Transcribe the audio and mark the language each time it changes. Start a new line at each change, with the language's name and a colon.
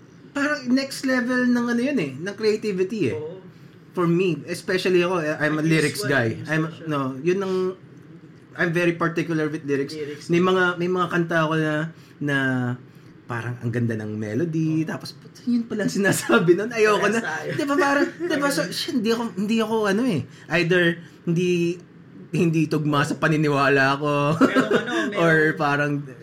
Filipino: Parang next level ng ano yun eh, ng creativity eh. Oo.
English: For me, especially ako, I'm a lyrics guy. I'm very particular with lyrics.
Filipino: May mga kanta ako na parang ang ganda ng melody, tapos yun pala ang sinasabi nun, ayoko na. Diba parang, diba, so, hindi ako ano eh, either hindi tugma sa paniniwala ko, or parang,